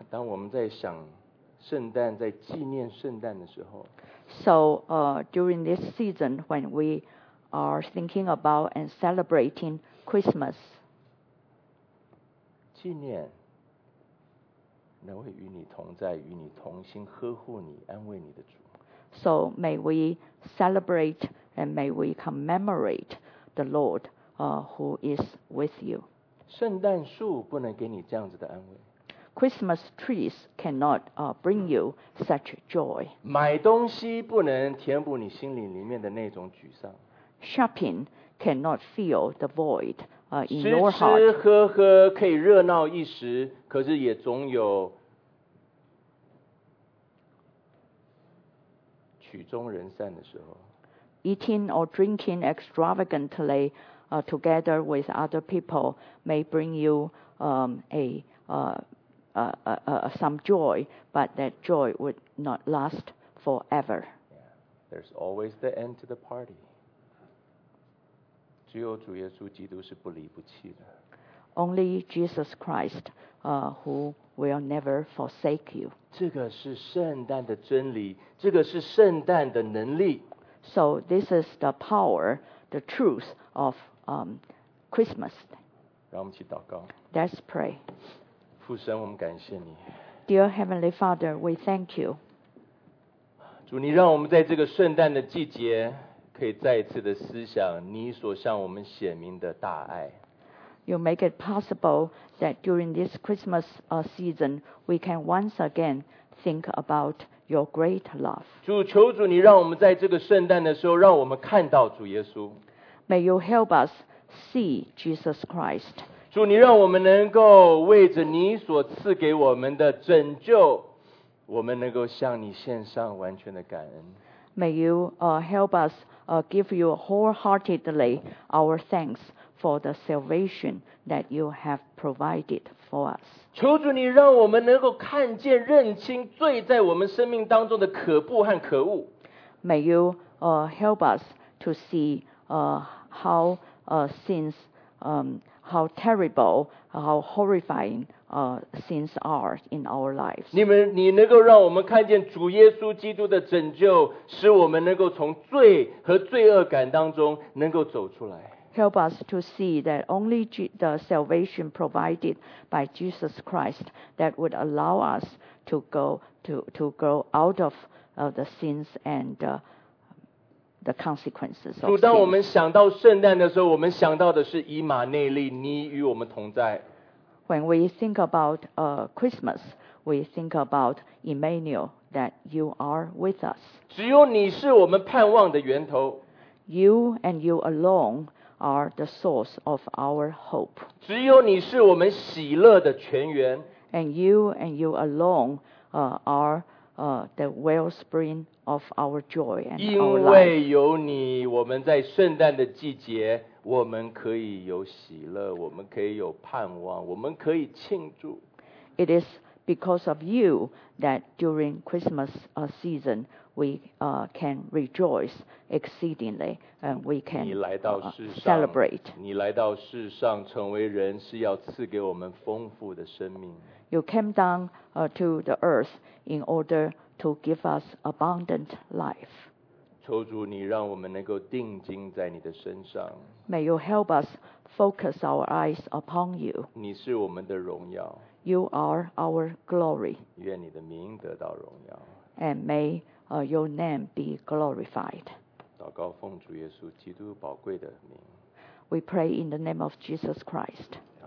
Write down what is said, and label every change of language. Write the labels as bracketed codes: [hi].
[zh] 当我们在想圣诞，在纪念圣诞的时候。 [en] So, during this season, when we are thinking about and celebrating Christmas. [zh] 纪念那位与你同在、与你同心、呵护你、安慰你的主。 [en] So may we celebrate and may we commemorate the Lord, who is with you. [zh] 圣诞树不能给你这样子的安慰。 [en] Christmas trees cannot, bring you such joy. [zh] 买东西不能填补你心里里面的那种沮丧。 [en] Shopping cannot fill the void. In your heart. [zh] 吃吃喝喝可以热闹一时，可是也总有曲终人散的时候。 [en] Eating or drinking extravagantly, together with other people may bring you, some joy, but that joy would not last forever. Yeah. There's always the end to the party. [zh] 只有主耶稣基督是不离不弃的。 [en] Only Jesus Christ, who will never forsake you. [zh] 这个是圣诞的真理，这个是圣诞的能力。 [en] So this is the power, the truth of, Christmas. [zh] 让我们一起祷告。 [en] Let's pray. [zh] 父神，我们感谢你。 [en] Dear Heavenly Father, we thank you. [zh] 主，你让我们在这个圣诞的季节。可以再一次的思想你所向我们显明的大爱。 [en] You make it possible that during this Christmas season, we can once again think about your great love. [zh] 主，求主你让我们在这个圣诞的时候，让我们看到主耶稣。 [en] May you help us see Jesus Christ. [zh] 主，你让我们能够为着你所赐给我们的拯救，我们能够向你献上完全的感恩。 [en] May you help us give you wholeheartedly our thanks for the salvation that you have provided for us. [zh] 求主你让我们能够看见认清罪在我们生命当中的可怖和可恶。 [en] May you help us to see how sins, how terrible, how horrifying sins are in our lives. [zh] 你能够让我们看见主耶稣基督的拯救，使我们能够从罪和罪恶感当中能够走出来。 [en] Help us to see that only the salvation provided by Jesus Christ that would allow us to go to grow out of the sins and the consequences of sin. [zh] 主，当我们想到圣诞的时候，我们想到的是以马内利，你与我们同在。 [en] When we think about Christmas, we think about Emmanuel, that you are with us. [zh] 只有你是我们盼望的源头。 [en] You and you alone are the source of our hope. [zh] 只有你是我们喜乐的泉源。 [en] And you alone are the wellspring of our joy and our life. [zh] 因为有你，我们在圣诞的季节我们可以有喜乐，我们可以有盼望，我们可以庆祝。 [en] It is because of you that during Christmas season we can rejoice exceedingly and we can celebrate. [zh] 你来到世上成为人是要赐给我们丰富的生命。 [en] You came down to the earth in order to give us abundant life. [zh] 求主你让我们能够定睛在你的身上。 [en] May you help us focus our eyes upon you. [zh] 你是我们的荣耀。 [en] You are our glory. [zh] 愿你的名得到荣耀。 [en] And may your name be glorified. [zh] 祷告奉主耶稣基督宝贵的名。 [en] We pray in the name of Jesus Christ.